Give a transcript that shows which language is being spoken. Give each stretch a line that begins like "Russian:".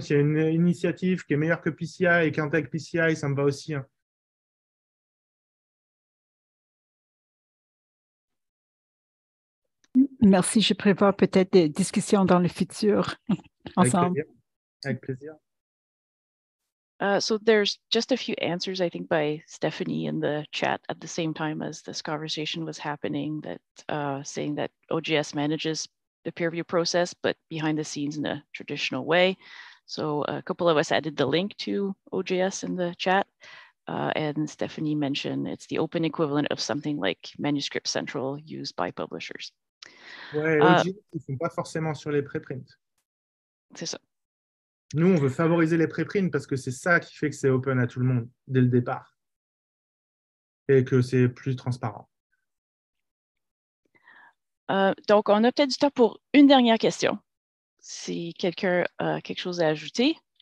French: S'il y a une initiative qui est meilleure que PCI et qui intègre PCI, ça me va aussi. Hein. Merci, je prévois peut-être des discussions dans le futur ensemble. Avec plaisir.
English: So there's just a few answers, I think, by Stephanie in the chat at the same time as this conversation was happening, that saying that OJS manages the peer review process, but behind the scenes in a traditional way. So a couple of us added the link to OJS in the chat, and Stephanie mentioned it's the open equivalent of something like Manuscript Central used by publishers.
French: Ouais, OJS, ils font pas forcément sur les préprints. C'est ça. Nous, on veut favoriser les préprints parce que c'est ça qui fait que c'est open à tout le monde dès le départ et que c'est plus transparent. Donc, on a peut-être du temps pour une dernière question. Si quelqu'un a quelque chose à ajouter.